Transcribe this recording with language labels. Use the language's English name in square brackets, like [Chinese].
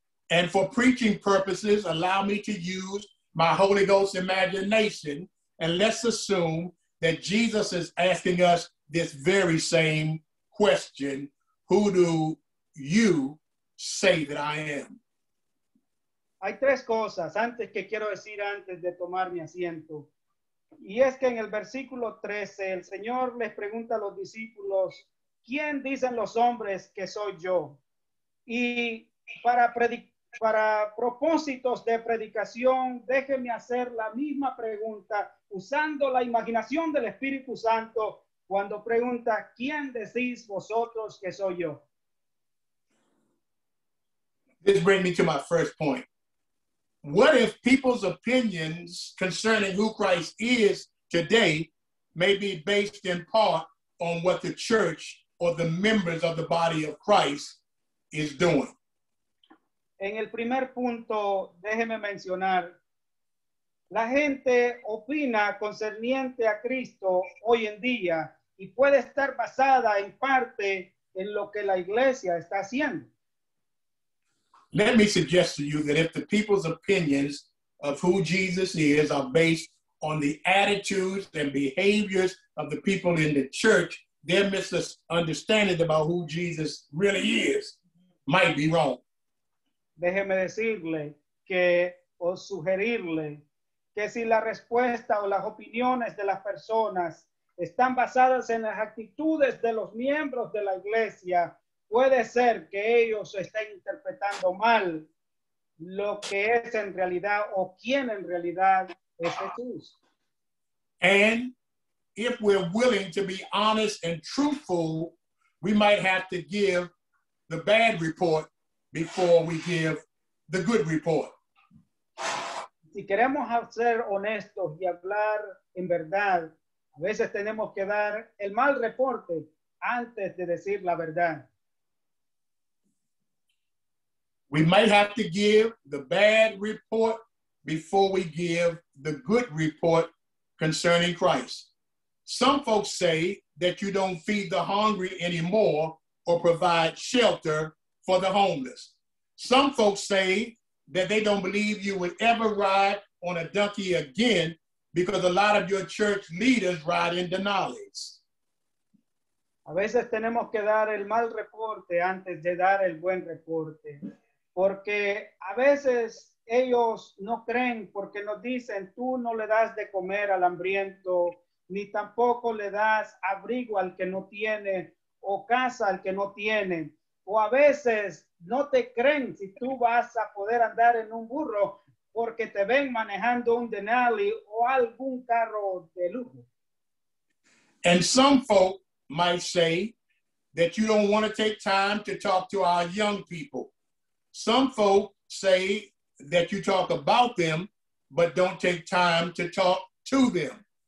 [English] And for preaching purposes, allow me to use my Holy Ghost imagination, and let's assume that Jesus is asking us this very same question, who do you say that I am? [Spanish] Hay tres cosas antes que quiero decir antes de tomar mi asiento. Y es que en el versículo 13, el Señor les pregunta a los discípulos, ¿quién dicen los hombres que soy yo? Y para propósitos de predicación, déjenme hacer la misma pregunta usando la imaginación del Espíritu Santo cuando pregunta, ¿quién decís vosotros que soy yo? [English] This brings me to my first point. What if people's opinions concerning who Christ is today may be based in part on what the church or the members of the body of Christ is doing? [Spanish] En el primer punto, déjeme mencionar, la gente opina concerniente a Cristo hoy en día y puede estar basada en parte en lo que la iglesia está haciendo. [English] Let me suggest to you that if the people's opinions of who Jesus is are based on the attitudes and behaviors of the people in the church, their misunderstanding about who Jesus really is might be wrong. [Spanish] Déjeme decirle que, o sugerirle, que si la respuesta o las opiniones de las personas están basadas en las actitudes de los miembros de la iglesia, puede ser que ellos estén interpretando mal lo que es en realidad o quién en realidad es Jesús. [English] And if we're willing to be honest and truthful, we might have to give the bad report before we give the good report. [Spanish] Si queremos ser honestos y hablar en verdad, a veces tenemos que dar el mal reporte antes de decir la verdad. [English] We might have to give the bad report before we give the good report concerning Christ. Some folks say that you don't feed the hungry anymore or provide shelter for the homeless. Some folks say that they don't believe you would ever ride on a donkey again because a lot of your church leaders ride in Denali's. [Spanish] A veces tenemos que dar el mal reporte antes de dar el buen reporte, porque a veces ellos no creen porque nos dicen tú no le das de comer al hambriento ni tampoco le das abrigo al que no tiene o casa al que no tiene. O a veces no te creen si tú vas a poder andar en un burro porque te ven manejando un denali o algún carro de lujo. [English] And some folk might say that you don't want to take time to talk to our young people. Some folk say that you talk about them, but don't take time to talk to them.